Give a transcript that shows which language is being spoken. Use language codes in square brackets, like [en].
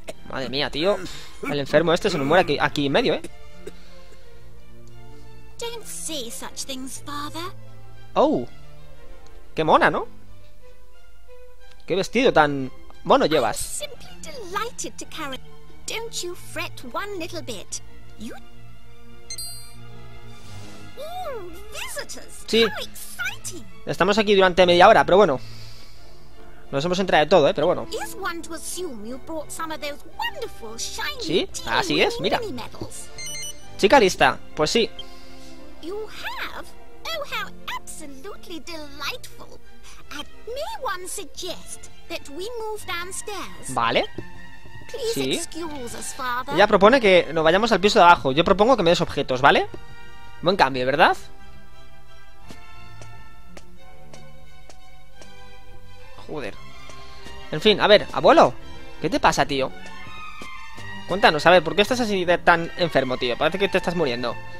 [es] Madre mía, tío. El enfermo este se nos muere aquí en medio, ¿eh? [en] Don't say such things, father. [es] Oh, qué mona, ¿no? Qué vestido tan mono llevas. [en] I'm simply delighted to carry. Don't you fret one little bit. You. Visitors. [es] Sí. [en] How exciting. [es] Estamos aquí durante media hora, pero bueno. Nos hemos entrado de todo, pero bueno. [en] Is one to assume you brought some of those wonderful shiny tea. [es] Sí, así es. Mira. Chica lista, pues sí. [en] You have? Oh, how absolutely delightful. And may one suggest that we move downstairs? [es] Vale. [en] Please excuse us, father. [es] Ella propone que nos vayamos al piso de abajo. Yo propongo que me des objetos, ¿vale? Buen cambio, ¿verdad? Joder. En fin, a ver, abuelo, ¿qué te pasa, tío? Cuéntanos, a ver, ¿por qué estás así de tan enfermo, tío? Parece que te estás muriendo.